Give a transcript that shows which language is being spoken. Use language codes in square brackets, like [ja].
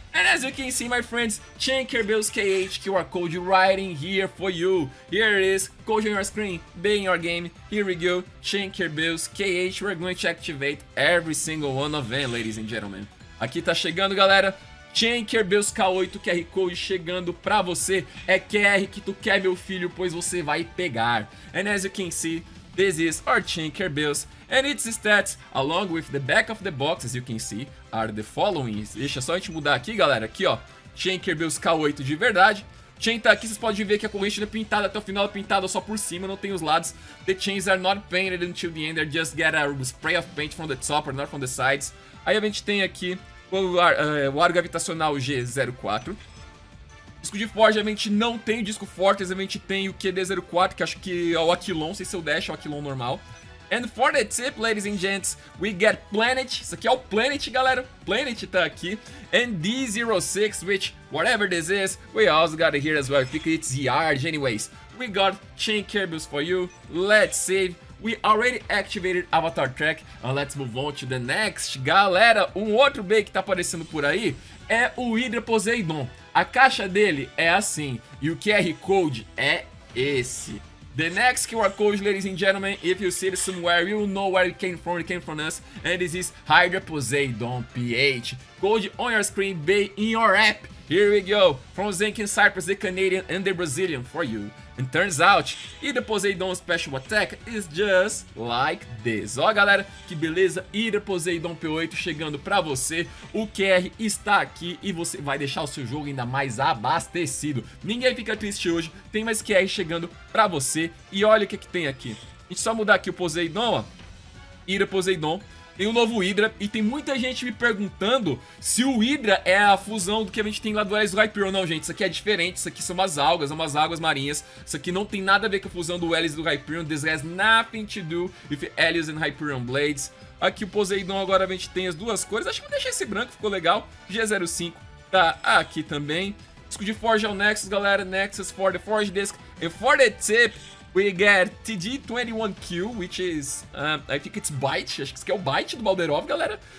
[en] And as you can see, my friends, Tinkerbells KH QR code right in here for you. Here it is, code on your screen, be in your game. Here we go, Tinkerbells KH, we're going to activate every single one of them, ladies and gentlemen. [pt] Aqui tá chegando, galera. Tinkerbells K8 QR Code chegando pra você. É QR que tu quer, meu filho, pois você vai pegar. [en] And as you can see, this is our Tinkerbells. And its stats, along with the back of the box, as you can see, are the following. [pt] Deixa só a gente mudar aqui, galera. Aqui, ó. Tinkerbells K8 de verdade. Chain tá aqui, vocês podem ver que a corrente não é pintada até o final, é pintada só por cima, não tem os lados. [en] The chains are not painted until the end, they just get a spray of paint from the top or not from the sides. [pt] Aí a gente tem aqui o ar gravitacional G04. Disco de forja, a gente não tem o disco forte, a gente tem o QD04, que acho que é o Aquilon, sei se é o Dash ou o Aquilon normal. [en] And for the tip, ladies and gents, we get Planet. [pt] Isso aqui é o Planet, galera. Planet tá aqui. [en] And D06, which, whatever this is, we also got it here as well. I think it's Yard, anyways. We got Chain Kerbals for you. Let's save. We already activated Avatar Track, let's move on to the next. [pt] Galera, um outro bay que tá aparecendo por aí é o Hydra Poseidon. A caixa dele é assim, e o QR Code é esse. [en] The next QR Code, ladies and gentlemen, if you see it somewhere, you know where it came from us. And this is Hydra Poseidon PH. Code on your screen, bay in your app. Here we go, from Zenk in Cyprus, the Canadian and the Brazilian for you. And turns out, Hydra Poseidon Special Attack is just like this. [pt] Ó, galera, que beleza, Hydra Poseidon P8 chegando pra você. O QR está aqui e você vai deixar o seu jogo ainda mais abastecido. Ninguém fica triste hoje, tem mais QR chegando pra você. E olha o que, que tem aqui. A gente só mudar aqui o Poseidon, ó. Hydra Poseidon. Tem um novo Hydra e tem muita gente me perguntando se o Hydra é a fusão do que a gente tem lá do Hélice do Hyperion. Não, gente, isso aqui é diferente, isso aqui são umas águas marinhas. Isso aqui não tem nada a ver com a fusão do Hélice do Hyperion. [en] This has nothing to do with Hélice and Hyperion Blades. [pt] Aqui o Poseidon agora a gente tem as duas cores. Acho que eu deixei esse branco, ficou legal. G05 tá aqui também. Disco de Forge é o Nexus, galera. [en] Nexus for the Forge Disc. And for the tip, we get TD21Q, which is, I think it's Byte, [pt] acho que isso aqui é o Byte do Balderov, galera.